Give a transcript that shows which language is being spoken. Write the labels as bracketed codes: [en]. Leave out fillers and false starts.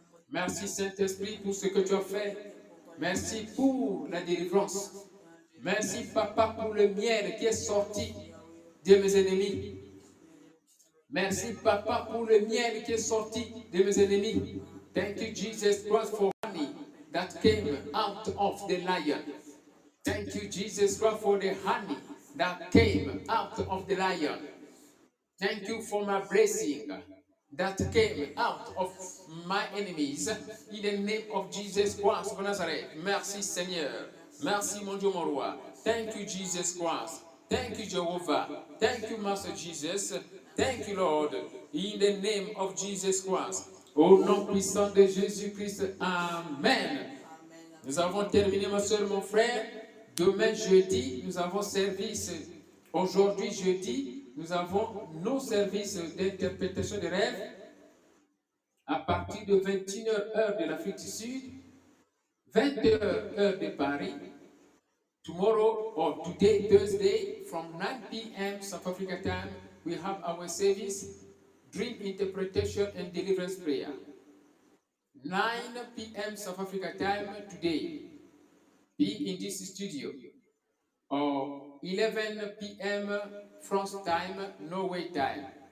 [fr] Merci Saint-Esprit pour ce que tu as fait. Merci pour la délivrance. Merci, Papa, pour le miel qui est sorti de mes ennemis. Merci, Papa, pour le miel qui est sorti de mes ennemis. [en] Thank you, Jesus Christ, for honey that came out of the lion. Thank you, Jesus Christ, for the honey that came out of the lion. Thank you for my blessing that came out of my enemies. In the name of Jesus Christ of Nazareth. [fr] Merci Seigneur. Merci mon Dieu mon roi. [en] Thank you Jesus Christ. Thank you Jehovah. Thank you Master Jesus. Thank you Lord. In the name of Jesus Christ. [fr] Au nom puissant de Jésus Christ. Amen. Nous avons terminé ma soeur, mon frère. Demain jeudi, nous avons service. Aujourd'hui jeudi, nous avons nos services d'interprétation des rêves à partir de 21h heure de l'Afrique du Sud, 22h heure de Paris. [en] Tomorrow, or today, Thursday, from 9 p.m. South Africa time, we have our service, Dream Interpretation and Deliverance Prayer. 9 p.m. South Africa time today. Be in this studio. Or 11 p.m. France time, Norway time.